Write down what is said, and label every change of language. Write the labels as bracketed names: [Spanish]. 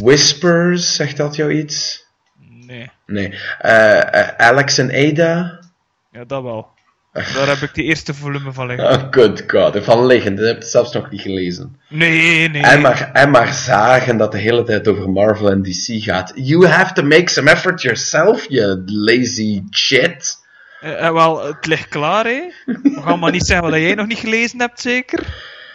[Dutch] Whispers, zegt dat jou iets? Nee. Alex en Ada? Ja, dat wel. Daar heb ik de eerste volume van liggen. [English] Oh, good God. [Dutch] Van liggen. Dat heb je zelfs nog niet gelezen. Nee. En maar zagen dat de hele tijd over Marvel en DC gaat. [English] You have to make some effort yourself, you lazy shit. [Dutch] Wel, het ligt klaar, hè. We gaan maar niet zeggen wat jij nog niet gelezen hebt, zeker?